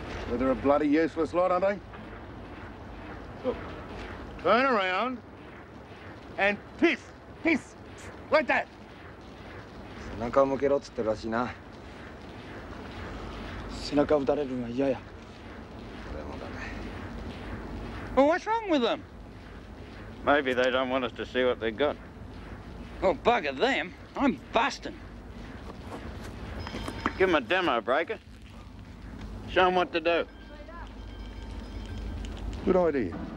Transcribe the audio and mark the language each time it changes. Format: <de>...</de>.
<en>Well, they're a bloody useless lot, aren't they? Look, turn around and piss, piss, like that.</en> <ja>背中を向けろっつってるらしいな。背中を打たれるのは嫌や。</ja> <en>Well, what's wrong with them? Maybe they don't want us to see what they've got. Well, bugger them. I'm busting. Give them a demo, Breaker. Show them what to do. Good idea.</en>